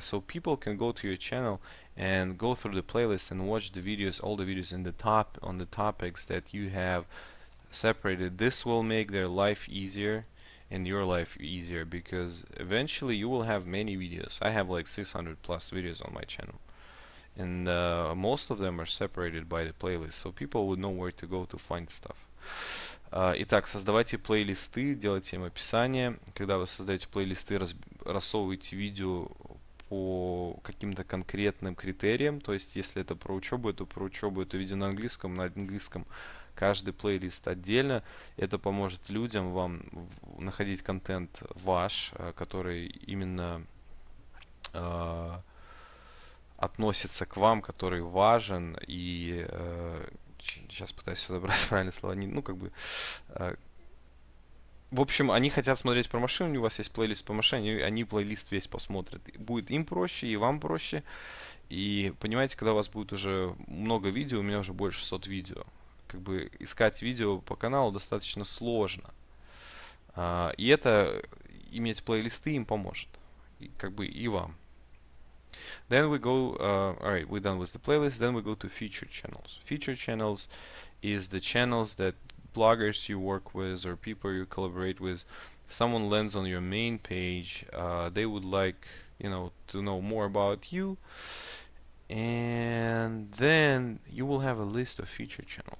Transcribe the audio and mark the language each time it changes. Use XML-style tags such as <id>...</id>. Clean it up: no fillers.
<en>So people can go to your channel and go through the playlist and watch the videos, all the videos in the top on the topics that you have separated. This will make their life easier and your life easier because eventually you will have many videos. I have like 600 plus videos on my channel, and most of them are separated by the playlist, so people would know where to go to find stuff.</en> <ru>Итак, создавайте плейлисты, делайте им описание. Когда вы создаете плейлисты, рассовывайте видео по каким-то конкретным критериям. То есть, если это про учебу, то про учебу, это видео на английском каждый плейлист отдельно. Это поможет людям вам находить контент ваш, который именно относится к вам, который важен и сейчас пытаюсь подобрать правильные слова. Они, ну, как бы. В общем, они хотят смотреть про машину, у вас есть плейлист по машине, они плейлист весь посмотрят. Будет им проще, и вам проще. И понимаете, когда у вас будет уже много видео, у меня уже больше сот видео. Как бы искать видео по каналу достаточно сложно. И это иметь плейлисты им поможет. И, как бы и вам.</ru> <en>Then we go, alright, we're done with the playlist. Then we go to feature channels. Feature channels is the channels that bloggers you work with or people you collaborate with, someone lands on your main page. They would like, to know more about you. And then you will have a list of feature channels.</en>